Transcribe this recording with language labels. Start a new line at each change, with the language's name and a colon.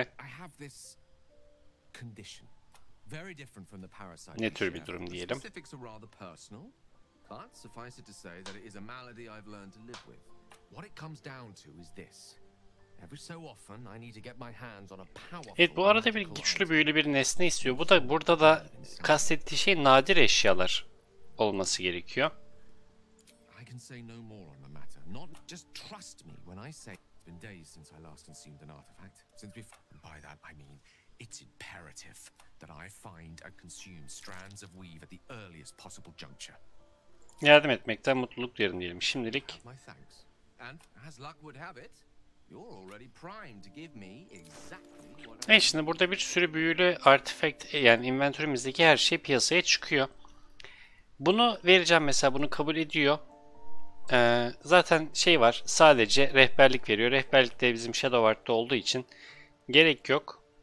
English: I have this condition. Very different from the parasite.
Turkish: Ne tür bir durum diyelim?
English: Specifics are rather personal, but suffice it to say that it is a malady I've learned to live with. What it comes down to is this: every so often I need to get my hands on a powerful.
Turkish: Evet, bu arada bir güçlü büyülü bir nesne istiyor. Bu da burada da kastettiği şey nadir eşyalar olması gerekiyor.
English: I can say no more on the matter. Not just trust me when I say it's been days since I last consumed an artifact. Since we've by that I mean it's imperative that I find and consume strands of weave at the earliest possible juncture.
Turkish: Yardım etmekten mutluluk duyarım diyelim şimdilik.
English: And as luck would have it, you're already primed to give me exactly what.
Turkish: Evet, şimdi burada bir sürü büyülü artifact, yani inventörümüzdeki her şey piyasaya çıkıyor. Bunu vereceğim mesela, bunu kabul ediyor. Zaten şey var, sadece rehberlik veriyor. Rehberlik de bizim Shadowheart'ta olduğu için gerek yok.